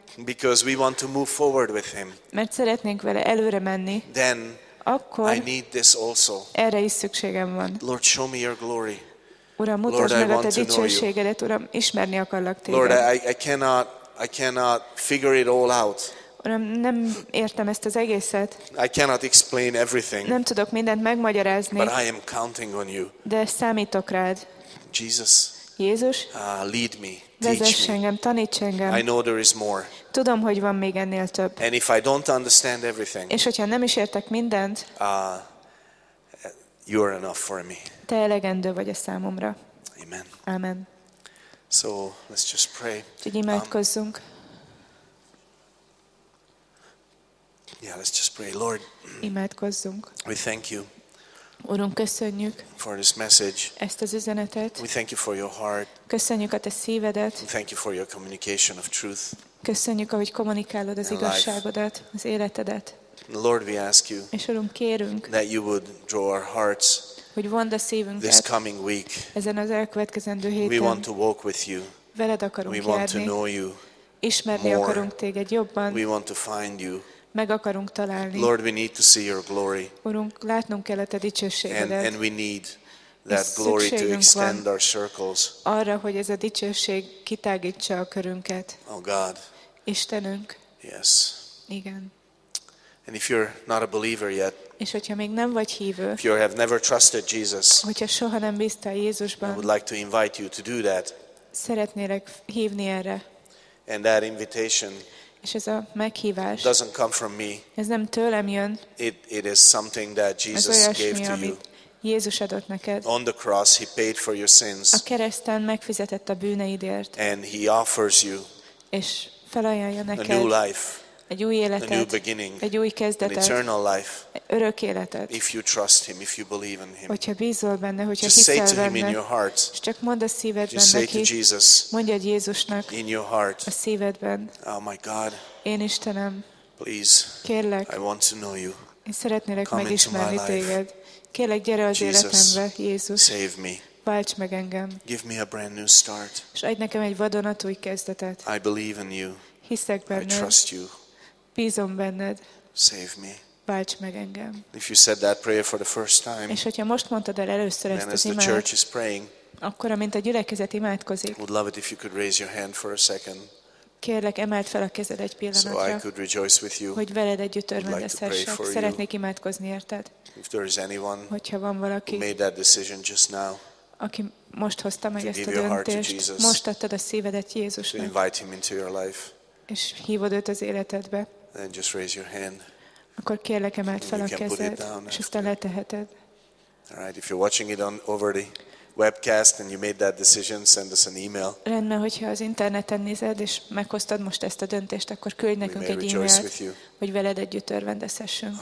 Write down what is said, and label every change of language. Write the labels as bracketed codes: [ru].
[en] Because we want to move forward with him. [hu] Mert szeretnénk vele előre menni. [en] Then. [hu] Akkor. [en] I need this also. [hu] Erre is szükségem van. [en] Lord, show me your glory. [hu] Uram, mutasd meg a te dicsőségedet, Uram, ismerni akarlak téged. [en] Lord, I cannot figure it all out. [hu] Uram, nem értem ezt az egészet. [en] I cannot explain everything. [hu] Nem tudok mindent megmagyarázni. [en] But I am counting on you. [hu] De számítok rád. [en] Jesus. [hu] Jézus. [en] Lead me. [hu] Vezess engem, taníts engem. [en] I know there is more. [hu] Tudom, hogy van még ennél több. [en] And if I don't understand everything. [hu] És hogyha nem is értek mindent. [en] You are enough for me. [hu] Te elegendő vagy a számomra. [en] Amen. [hu] Amen. [en] So, let's just pray. [hu] Úgy imádkozzunk. [en] Yeah, let's just pray, Lord. [hu] Imádkozzunk. [en] We thank you. [hu] Urunk, köszönjük. [en] For this message. [hu] Ezt az üzenetet. [en] We thank you for your heart. [hu] Köszönjük a te szívedet. [en] We thank you for your communication of truth. [hu] Köszönjük, ahogy kommunikálod az igazságodat, [en] life. [hu] Az életedet. [en] Lord, we ask you. [hu] És Urunk, kérünk. [en] That you would draw our hearts. [hu] Hogy vondd a szívünket. [en] This coming week. [hu] Ezen az elkövetkezendő héten. [en] We want to walk with you. [hu] Veled akarunk [en] we [hu] járni. [en] We want to know you. [hu] Ismerni [en] more. [hu] Akarunk téged jobban. [en] We want to find you. [hu] Meg akarunk találni. [en] Lord, we need to see your glory. [hu] Urunk, látnunk kell a te dicsőségedet. [en] And we need that glory to extend our circles. [hu] Arra, hogy ez a dicsőség kitágítsa a körünket. [en] Oh God. [hu] Istenünk. [en] Yes. [hu] Igen. [en] And if you're not a believer yet. [hu] És hogyha még nem vagy hívő. [en] If you have never trusted Jesus. [hu] Hogyha soha nem bíztál Jézusban. [en] I would like to invite you to do that. [hu] Szeretnélek hívni erre. [en] And that invitation. [hu] És ez a meghívás. [en] Doesn't come from me. [hu] Ez nem tőlem jön. [en] It is something that Jesus gave to you. [hu] Jézus adott neked. [en] On the cross he paid for your sins. [hu] A kereszten megfizetett a bűneidért. [en] And he offers you. [hu] És felajánlja neked. [en] A new life. [hu] Egy új életet, [en] a new beginning, [hu] egy új kezdetet, [en] an eternal life, [hu] örök életet. [en] If you trust him, if you believe in him. [hu] Hogyha bízol benne, hogyha hiszel benne, és csak mondd a szívedben neki, mondjad Jézusnak [en] in your heart, [hu] a szívedben, [en] oh my God, [hu] én Istenem, [en] please, [hu] kérlek, [en] I want to know you. [hu] Én szeretnélek [en] come [hu] megismerni téged. Kérlek, gyere az [en] Jesus, [hu] életembe, Jézus, [en] save me. [hu] Válts meg engem, [en] give me a brand new start. [hu] És adj nekem egy vadonatúj kezdetet. [en] I believe in you. [hu] Hiszek benned. [en] I trust you. [hu] Bízom benned. [en] Save me. [hu] Válts meg engem. [en] If you said that prayer for the first time, [hu] és hogyha most mondtad el először ezt az imádat, akkor amint a gyülekezet imádkozik, [en] would love it if you could raise your hand for a second. [hu] Kérlek, emeld fel a kezed egy pillanatra, [en] so I could rejoice with you, [hu] hogy veled együtt örvendezhessek. [en] Like [hu] szeretnék imádkozni érted. [en] If there is anyone, [hu] hogyha van valaki, [en] who made that decision just now, [hu] aki most hozta meg ezt a döntést, most adtad a szívedet Jézusnak, [en] to invite him into your life, [hu] és hívod őt az életedbe, [en] then just raise your hand. [hu] Akkor kérlek, emeld fel a kezed, és aztán leteheted. [en] All right, if you're watching it on over the webcast and you made that decision, send us an email. [hu] Rendben, hogyha az interneten nézed és meghoztad most ezt a döntést, akkor küldj nekünk egy e-mailt, hogy veled együtt örvendezhessünk.